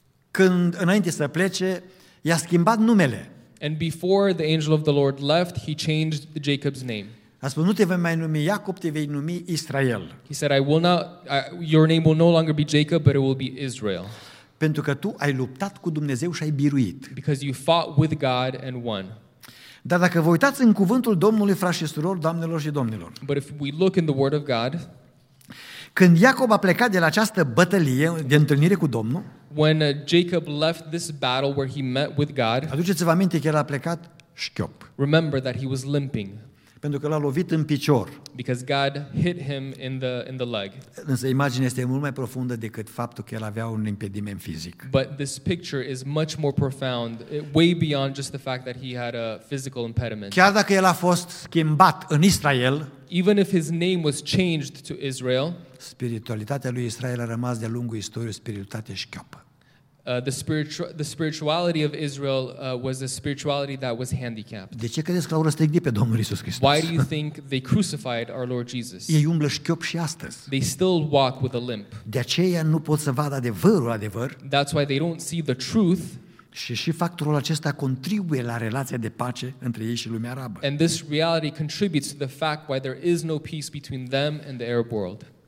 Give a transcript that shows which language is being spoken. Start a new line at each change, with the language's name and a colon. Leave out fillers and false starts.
Romanian: Când înainte să plece, i-a schimbat numele.
English: And before the angel of the Lord left, he changed Jacob's name.
Romanian: A spus, nu te vei mai numi Iacob, te vei numi Israel.
English: He said, your name will no longer be Jacob, but it will be Israel.
Romanian: Pentru că tu ai luptat cu Dumnezeu și ai biruit.
English: Because you fought with God and won.
Romanian: Dar dacă vă uitați în cuvântul Domnului, frașii și surori, doamnelor și domnilor.
English: But if we look in the word of God,
Romanian: când Iacob a plecat de la această bătălie de întâlnire cu Domnul,
English: when Jacob left this battle where he met with God,
Romanian: aduceți-vă aminte că el a plecat șchiop.
English: Remember that he was limping.
Romanian: Pentru că l-a lovit în picior.
English: Because God hit him in the leg.
Romanian: Însă imaginea este mult mai profundă decât faptul că el avea un impediment fizic.
English: But this picture is much more profound, way beyond just the fact that he had a physical impediment.
Romanian: Chiar dacă el a fost schimbat în Israel,
English: even if his name was changed to Israel,
Romanian: spiritualitatea lui Israel a rămas de-a lungul istoriei o spiritualitate șchiopă.
English: The spirituality of Israel was a spirituality that was handicapped.
Romanian: De ce credeți că l-au răstignit pe Domnul Iisus Hristos?
English: Why do you think they crucified our Lord Jesus?
Romanian: Ei umblă șchiop și astăzi.
English: They still walk with a limp.
Romanian: De aceea nu pot să vadă adevărul adevăr.
English: That's why they don't see the truth.
Romanian: Și factorul acesta contribuie la relația de pace între ei și lumea arabă.
English: And this reality contributes to the fact why there is no peace between them and the Arab world.